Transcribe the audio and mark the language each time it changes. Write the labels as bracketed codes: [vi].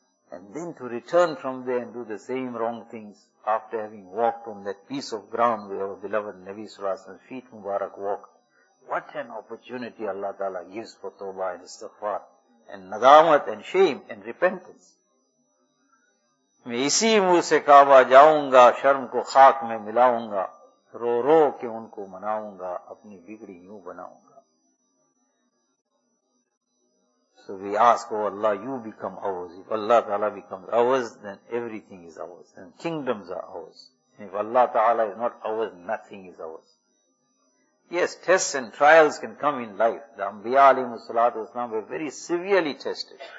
[en] And then to return from there and do the same wrong things after having walked on that piece of ground where our beloved Nabi sallallahu alayhi wa sallam feet mubarak walked. What an opportunity Allah Ta'ala gives for tawbah and istighfar and nadamat and shame and repentance. [ur] میں اسی منہ سے کعبہ جاؤں گا, شرم کو خاک میں ملاؤں گا, رو رو کے ان کو مناؤں گا, اپنی بگڑی یوں بناؤں گا. [en] So we ask, oh Allah, you become ours. If Allah Ta'ala becomes ours, then everything is ours. Then kingdoms are ours. And if Allah Ta'ala is not ours, nothing is ours. Yes, tests and trials can come in life. The Anbiya alayhi salatu wasalam were very severely tested.